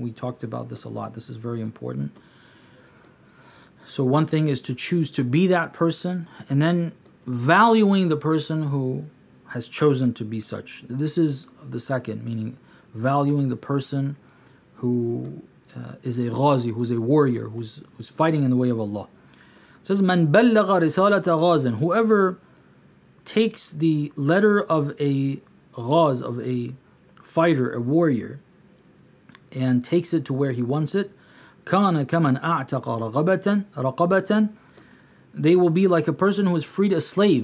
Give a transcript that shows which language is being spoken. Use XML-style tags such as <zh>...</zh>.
<en>We talked about this a lot. This is very important. So one thing is to choose to be that person, and then valuing the person who has chosen to be such. This is the second, meaning valuing the person who is a ghazi, who's a warrior, who's fighting in the way of Allah. It says,</en> <ar>مَنْ بَلَّغَ رِسَالَةَ غَازٍ.</ar> <en>Whoever takes the letter of a Ghaz, of a fighter, a warrior, and takes it to where he wants it,</en> <ar>كان كمن أعتق رقبةً,</ar> <en>they will be like a person who has freed a slave.</en>